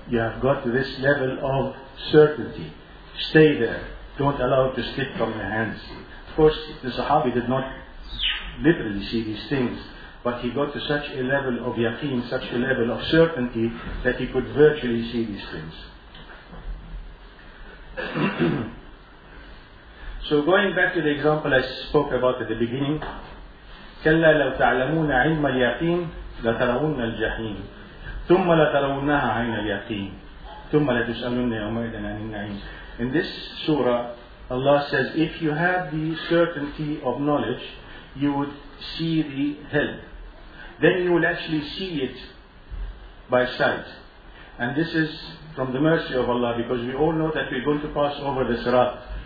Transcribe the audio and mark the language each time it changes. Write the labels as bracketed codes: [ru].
[en] you have got to this level of certainty. Stay there. Don't allow it to slip from your hands. Of course, the Sahabi did not literally see these things, but he got to such a level of yaqeen, such a level of certainty, that he could virtually see these things. So going back to the example I spoke about at the beginning, [ar] كَلَّا لَوْ تَعْلَمُونَ عِلْمَ الْيَقِينَ لَتَرَوُنَّ الْجَحِينَ ثُمَّ لَتَرَوُنَّهَا عَيْنَ الْيَقِينَ ثُمَّ لَتُسْأَلُنَّ يَوْمَئِذٍ عَنِ النَّعِيمِ. [en] In this surah, Allah says, if you have the certainty of knowledge, you would see the hell. Then you will actually see it by sight. And this is from the mercy of Allah, because we all know that we're going to pass over the Sirat.